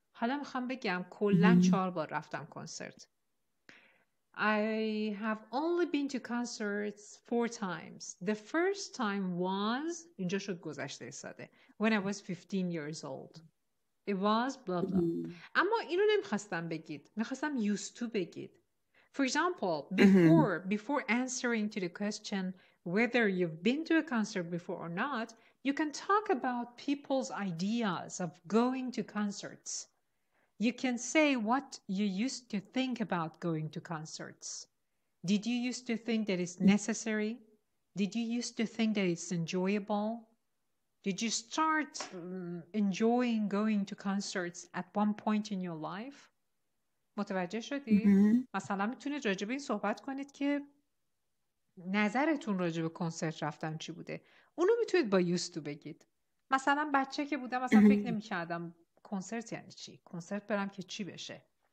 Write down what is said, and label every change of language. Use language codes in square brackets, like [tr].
[fa] حالا میخوام بگم کلن چهار بار رفتم کنسرت. [en] I have only been to concerts 4 times. The first time was, [fa] اینجا شد گذشته ساده, [en] when I was 15 years old. It was blah blah. [fa] اما اینو نمیخواستم بگید. میخواستم used to بگید. [en] For example, before answering to the question whether you've been to a concert before or not, you can talk about people's ideas of going to concerts. You can say what you used to think about going to concerts. Did you used to think that it's necessary? Did you used to think that it's enjoyable? Did you start enjoying going to concerts at one point in your life? [fa] متوجه شدی؟ مثلا میتونید راجع به این صحبت کنید که نظرتون راجع به کنسرت رفتن چی بوده. اونو میتونید با یوستو بگید. مثلا بچه که بودم مثلا فکر نمی کردم کنسرت یعنی چی, کنسرت برم که چی بشه.